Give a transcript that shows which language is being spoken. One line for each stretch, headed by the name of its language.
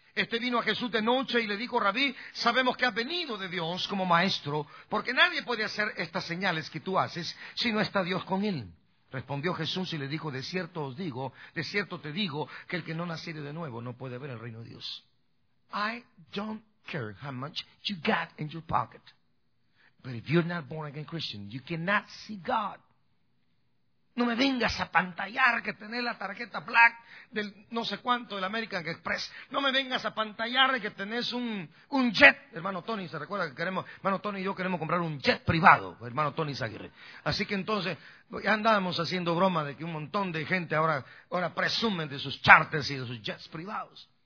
Spanish: Este vino a Jesús de noche y le dijo, Rabí, sabemos que has venido de Dios como maestro, porque nadie puede hacer estas señales que tú haces si no está Dios con él. Respondió Jesús y le dijo, de cierto te digo, que el que no naciere de nuevo no puede ver el reino de Dios.
English: I don't care how much you got in your pocket, but if you're not born again Christian, you cannot see God.
Spanish: No me vengas a pantallar que tenés la tarjeta black del no sé cuánto, del American Express. No me vengas a pantallar que tenés un jet. Hermano Tony, ¿se recuerda que queremos? Hermano Tony y yo queremos comprar un jet privado, hermano Tony Zaguirre. Así que entonces, ya andábamos haciendo broma de que un montón de gente ahora presumen de sus charters y de sus jets privados.